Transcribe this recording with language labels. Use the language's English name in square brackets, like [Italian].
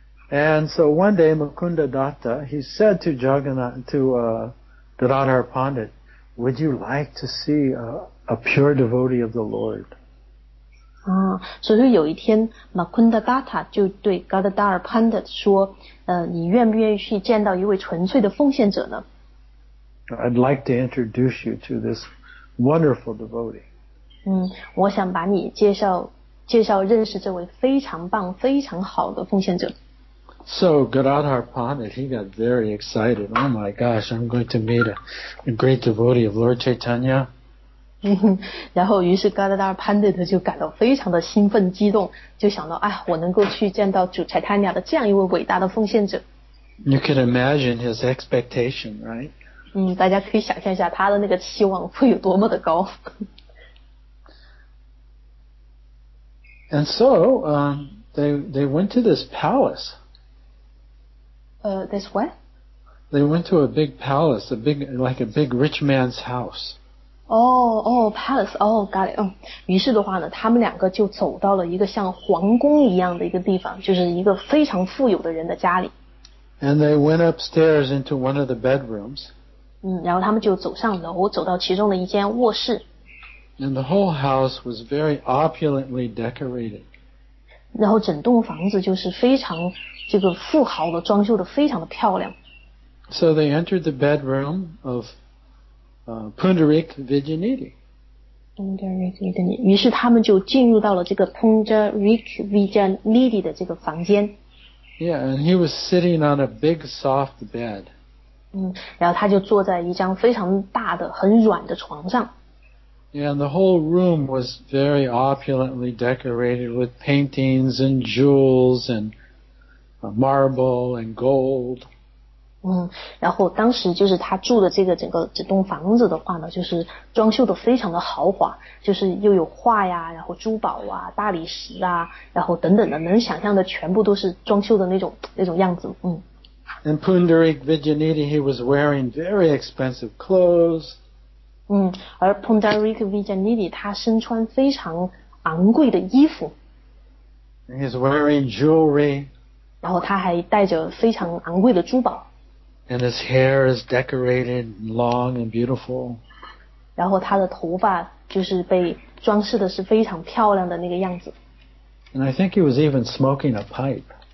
[English] And so one day Mukunda Datta, he said to Jagannath, to Gadadhar Pandit, would you like to see a pure devotee of the Lord? [Chinese] 所以有一天 Mukunda Datta 就对 Gadadhar Pandit 说，你愿不愿意去见到一位纯粹的奉献者呢？ [English] I'd like to introduce you to this wonderful devotee. [Chinese] 我想把你介绍认识这位非常棒非常好的奉献者。 [English] So Gadadhar Pandit, he got very excited. Oh my gosh, I'm going to meet a great devotee of Lord Chaitanya. [Chinese] 然后于是 Gadadhar Pandit 就感到非常的兴奋激动，就想到，哎，我能够去见到主 Chaitanya 的这样一位伟大的奉献者。 [English] You can imagine his expectation, right? [Chinese] 大家可以想象一下他的那个期望会有多么的高。 [English] And so, they went to this palace. This what? They went to a big palace, like a big rich man's house. Palace. Oh, got it. [Chinese] 于是的话呢，他们两个就走到了一个像皇宫一样的一个地方，就是一个非常富有的人的家里。 [English] And they went upstairs into one of the bedrooms. [Chinese] 然后他们就走上楼，走到其中的一间卧室。 [English] And the whole house was very opulently decorated. [Chinese] 然后整栋房子就是非常这个富豪的装修的非常的漂亮。 [English] So they entered the bedroom of Pundarik Vijayaniti. [Chinese] Pundarik Vijayaniti. 于是他们就进入到了这个 Pundarik Vijayaniti 的这个房间。 [English] Yeah, and he was sitting on a big soft bed. [Chinese] 然后他就坐在一张非常大的很软的床上。 [English] And the whole room was very opulently decorated with paintings and jewels and marble and gold. [Chinese] 然后当时就是他住的这个整栋房子的话呢，就是装修的非常的豪华，就是又有画呀，然后珠宝啊，大理石啊，然后等等的，能想象的全部都是装修的那种样子。 [English] And Pundarik Vijayaniti, he was wearing very expensive clothes. [Chinese] 而 Pundarik Vijayaniti 他身穿非常昂贵的衣服。 [English] He's wearing jewelry. [Chinese] 然后他还戴着非常昂贵的珠宝。 [English] And his hair is decorated long and beautiful. [Chinese] 然后他的头发就是被装饰的是非常漂亮的那个样子。 [English] And I think he was even smoking a pipe.